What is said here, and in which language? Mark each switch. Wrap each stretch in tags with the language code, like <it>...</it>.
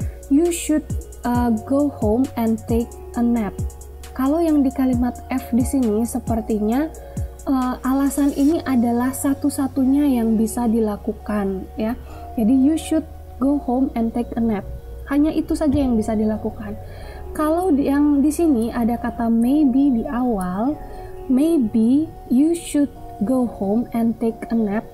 <en>You should go home and take a nap.</en> <id>Kalau yang di kalimat F di sini sepertinya alasan ini adalah satu-satunya yang bisa dilakukan ya. Jadi</id> <en>you should go home and take a nap.</en> <id>Hanya itu saja yang bisa dilakukan. Kalau yang di sini ada kata maybe di awal,</id> <en>maybe you should go home and take a nap.</en>